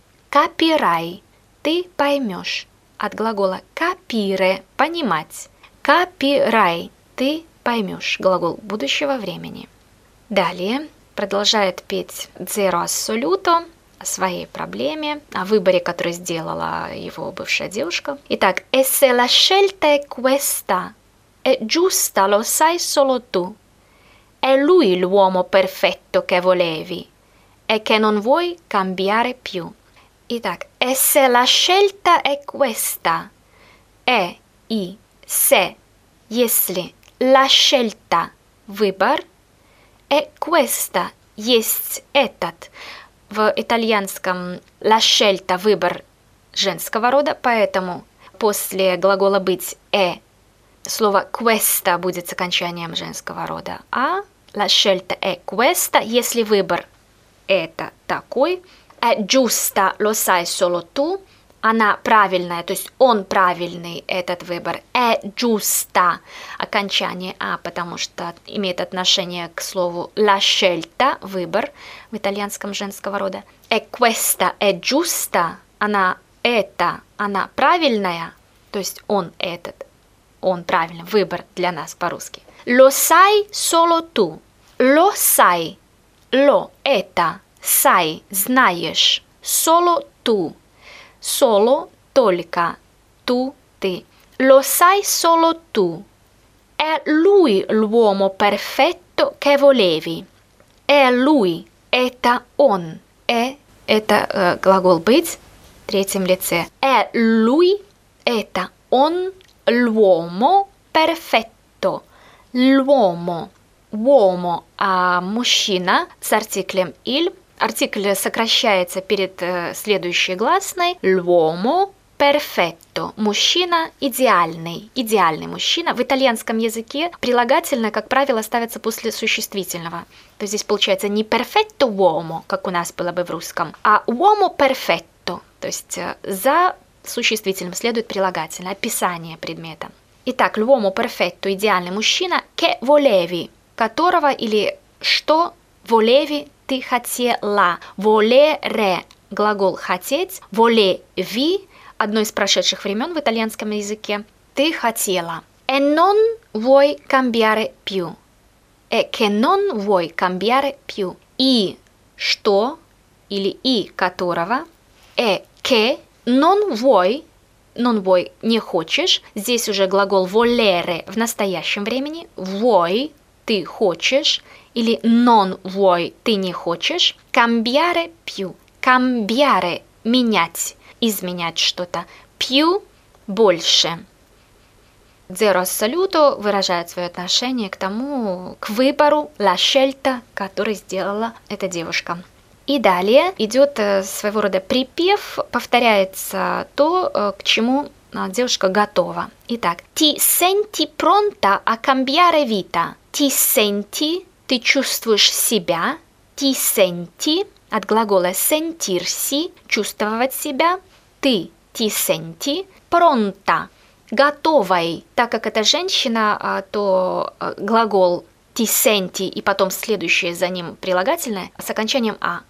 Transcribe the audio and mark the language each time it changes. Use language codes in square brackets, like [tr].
[ru] Capirai, ты поймешь. От глагола capire, понимать. Capirai, ты поймешь, глагол будущего времени. Далее продолжает петь Zero Assoluto о своей проблеме, о выборе, который сделала его бывшая девушка. [it] Итак, e se la scelta è questa, è giusta, lo sai solo tu. È lui l'uomo perfetto che volevi, e che non vuoi cambiare più. Итак, e se la scelta è questa, è i se. [ru] Если la scelta – выбор, [it] e questa [ru] – есть этот. В итальянском la scelta – выбор женского рода, поэтому после глагола быть «e» слово questa будет с окончанием женского рода. А [it] la scelta è questa [ru] – если выбор – это такой. [it] È giusta, lo sai solo tu [ru] – она правильная, то есть он правильный, этот выбор. [it] È giusta. [ru] Окончание «а», потому что имеет отношение к слову «la scelta» – выбор в итальянском женского рода. [it] È questa, è giusta. [ru] Она это, она правильная, то есть он этот, он правильный, выбор для нас по-русски. [it] Lo sai solo tu. Lo sai. Lo – это. Sai – знаешь. Solo tu. [ru] Solo – только, tu – ты. [it] Lo sai solo tu. È lui l'uomo perfetto che volevi. [ru] È lui – это он. È – это глагол быть в третьем лице. È lui – это он [it] l'uomo perfetto. [ru] L'uomo – uomo, а мужчина с артиклем il. Артикль сокращается перед следующей гласной. [it] L'uomo perfetto. [ru] Мужчина идеальный. Идеальный мужчина. В итальянском языке прилагательное, как правило, ставится после существительного. То есть здесь получается не [it] perfetto uomo, [ru] как у нас было бы в русском, а [it] uomo perfetto. [ru] То есть за существительным следует прилагательное, описание предмета. Итак, [it] l'uomo perfetto, [ru] идеальный мужчина, [it] che volevi, [ru] которого или что volevi, ты хотела. Volere – глагол «хотеть». Volevi – одно из прошедших времен в итальянском языке. Ты хотела. [it] E non vuoi cambiare più. E che non vuoi cambiare più. [ru] И что или и которого. [it] E che non vuoi. [ru] Non vuoi – не хочешь. Здесь уже глагол volere в настоящем времени. Vuoi – ты хочешь. Или [it] non vuoi, [ru] ты не хочешь. [it] Cambiare più. [ru] Cambiare, менять, изменять что-то. Più, больше. Zero assoluto выражает свое отношение к тому, к выбору, la scelta, который сделала эта девушка. И далее идет своего рода припев, повторяется то, к чему девушка готова. [it] Итак, ti senti pronta a cambiare vita. Ti senti... [ru] Ты чувствуешь себя, ti senti, от глагола sentirsi, чувствовать себя, ты, ti senti, pronta, готовой. Так как это женщина, то глагол ti senti и потом следующее за ним прилагательное с окончанием a.